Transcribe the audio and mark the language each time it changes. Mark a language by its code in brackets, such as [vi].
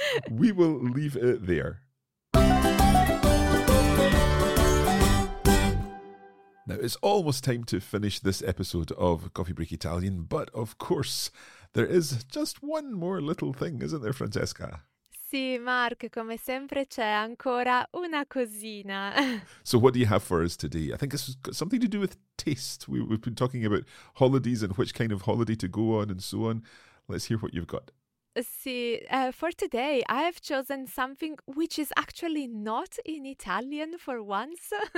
[en] We will leave it there. Now, it's almost time to finish this episode of Coffee Break Italian, but of course, there is just one more little thing, isn't there, Francesca? [it] Sì, Mark, come sempre c'è ancora una cosina. [en] So what do you have for us today? I think it's got something to do with taste. We've been talking about holidays and which kind of holiday to go on and so on. Let's hear what you've got. Sì, for today I have chosen something which is actually not in Italian for once.